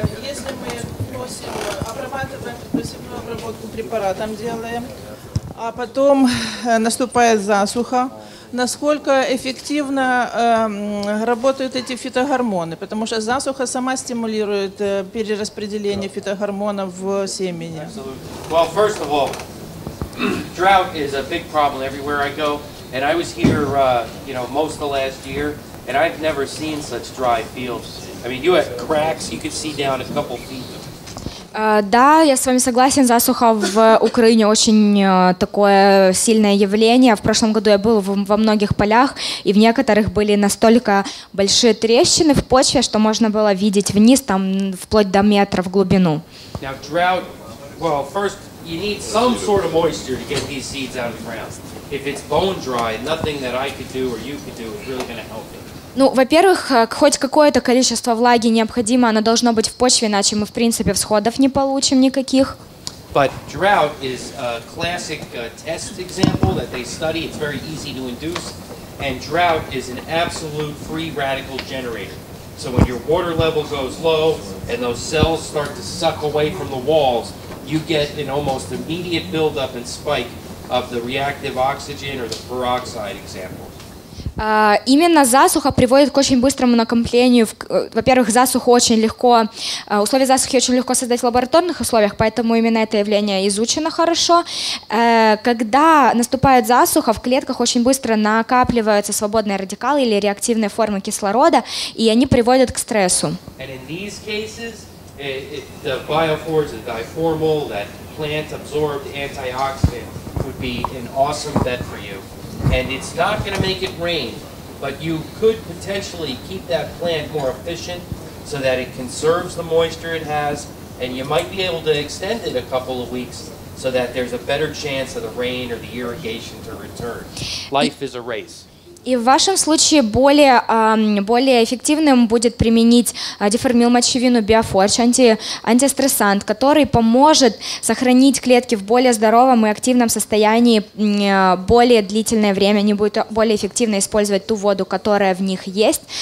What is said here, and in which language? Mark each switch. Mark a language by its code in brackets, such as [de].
[ru] Если мы просим обрабатывать посевную обработку препаратом делаем, а потом наступает засуха, насколько эффективно работают эти фитогормоны, потому что засуха сама стимулирует перераспределение фитогормонов в семени. [en] Well, first of all, drought is a big problem everywhere I go, and I was here, you know, most of the last year, and I've never seen such dry fields. I mean, you had cracks, you could see down a couple feet. [ru] Да, я с вами согласен, засуха в Украине очень такое сильное явление. В прошлом году я был во многих полях, и в некоторых были настолько большие трещины в почве, что можно было видеть вниз, там, вплоть до метра в глубину. [en] Now, drought, well, first, you need some sort of moisture to get these seeds out of the ground. If it's bone dry, nothing that I could do or you could do is really going to help it. [ru] Ну, во-первых, хоть какое-то количество влаги необходимо, оно должно быть в почве, иначе мы, в принципе, всходов не получим никаких. [en] But drought is a classic test example that they study. It's very easy to induce. And drought is an absolute free radical generator. So when your water level goes low and those cells start to suck away from the walls, you get an almost immediate buildup and spike of the reactive oxygen or the peroxide example. [ru] Именно засуха приводит к очень быстрому накоплению. Во-первых, засуху очень легко, условия засухи очень легко создать в лабораторных условиях, поэтому именно это явление изучено хорошо. Когда наступает засуха, в клетках очень быстро накапливаются свободные радикалы или реактивные формы кислорода, и они приводят к стрессу. [en] And in these cases, the biophores, the diformal, that plant-absorbed antioxidant would be an awesome bet for you. And it's not going to make it rain, but you could potentially keep that plant more efficient so that it conserves the moisture it has, and you might be able to extend it a couple of weeks so that there's a better chance of the rain or the irrigation to return. Life is a race. [ru] И в вашем случае более, более эффективным будет применить деформилмочевину Биофорч, антистрессант, который поможет сохранить клетки в более здоровом и активном состоянии более длительное время. Они будут более эффективно использовать ту воду, которая в них есть.